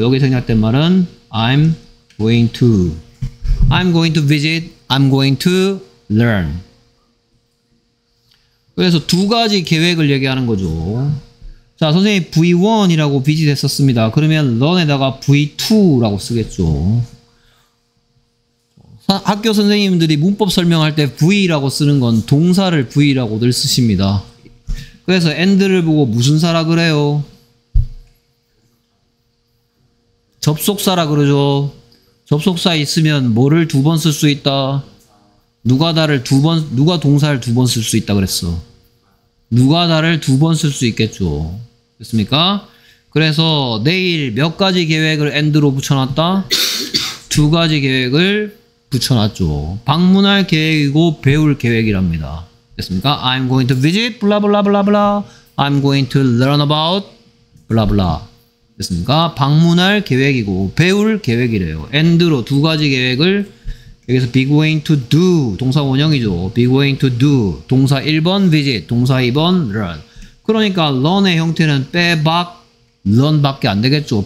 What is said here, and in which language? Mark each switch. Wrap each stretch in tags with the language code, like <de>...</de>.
<ko>여기 생략된 말은</ko> <en>I'm going to visit, I'm going to learn.</en> <ko>그래서 두 가지 계획을 얘기하는 거죠. 자, 선생님이 V1이라고 visit 했었습니다. 그러면 learn에다가 V2라고 쓰겠죠. 학교 선생님들이 문법 설명할 때 V라고 쓰는 건 동사를 V라고 늘 쓰십니다. 그래서 and를 보고 무슨 사라 그래요? 접속사라 그러죠. 접속사 있으면 뭐를 두 번 쓸 수 있다? 누가 나를 두 번, 누가 동사를 두 번 쓸 수 있다 그랬어? 누가 나를 두 번 쓸 수 있겠죠. 됐습니까? 그래서 내일 몇 가지 계획을 and로 붙여놨다? 두 가지 계획을 붙여놨죠. 방문할 계획이고 배울 계획이랍니다. 됐습니까?</ko> <en>I'm going to visit, blah, blah, blah, blah. I'm going to learn about, blah, blah.</en> <ko>됐습니까? 방문할 계획이고 배울 계획이래요. and로 두 가지 계획을, 여기서</ko> <en>be going to do,</en> <ko>동사 원형이죠. be going to do, 동사 1번 visit, 동사 2번 learn. 그러니까 learn의 형태는 빼박 learn밖에 안 되겠죠.</ko>